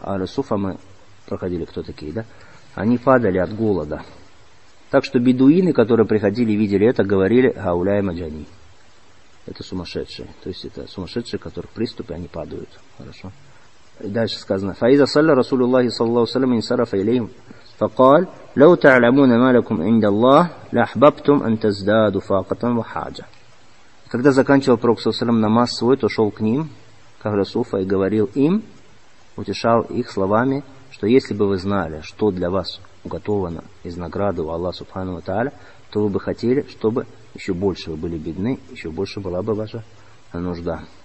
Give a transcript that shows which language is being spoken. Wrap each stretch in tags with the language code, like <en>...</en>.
<ru>Ахлю Суффа мы проходили, кто такие, да? Они падали от голода. Так что бедуины, которые приходили и видели это, говорили:</ru> <ar>«Гауляй маджани».</ar> <ru>Это сумасшедшие. То есть это сумасшедшие, у которых приступы, они падают. Хорошо? И дальше сказано:</ru> <ar>«Фаиза салля Расулу Аллахи саллаллаху салям инсарафа илейм». فقال لو تعلمون ما لكم عند الله لاحببتم ان تزدادوا فاقتا وحاجه.</ar> <ru>Когда заканчивал пророк саллаллаху алейхи ва саллям намаз свой, то шел к ним, к Ахлю Суффа, и говорил им, утешал их словами, что если бы вы знали, что для вас уготовано из награды у Аллаха субхану ва тааля, то вы бы хотели, чтобы еще больше вы были бедны, еще больше была бы ваша нужда.</ru>